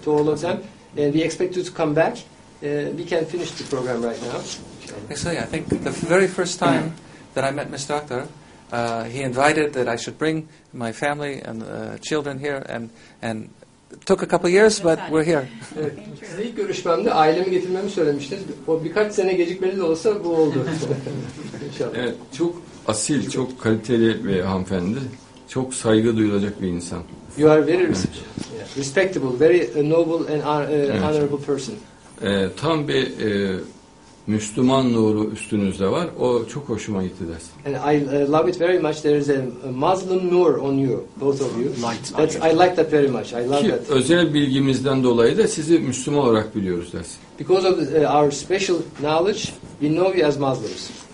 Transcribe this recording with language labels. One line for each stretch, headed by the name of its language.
English: to all of them. And we expect you to come back. We can finish the program right now. Actually, I think the very first time that I met Mr. Akhtar, he invited that I should bring my family and children here and took a couple of years, but we're here.
Turkish: Sizi ilk görüşmemde ailemi getirmemi söylemiştiniz. O birkaç sene gecikmeli de olsa bu oldu. İnşallah. Evet, çok asil, çok kaliteli bir hanımefendi. Çok saygı duyulacak bir insan.
English: You are very respectable, very noble and honorable person.
Turkish: Tam bir Müslüman nuru üstünüzde var. O çok hoşuma gitti dersin.
English: I love it very much. There is a Muslim nur on you, both of you. Light. That's, I like that very much. I love ki, that.
Turkish: Özel bilgimizden dolayı da sizi Müslüman olarak biliyoruz dersin.
English: Because of our special knowledge, we know you as Muslims.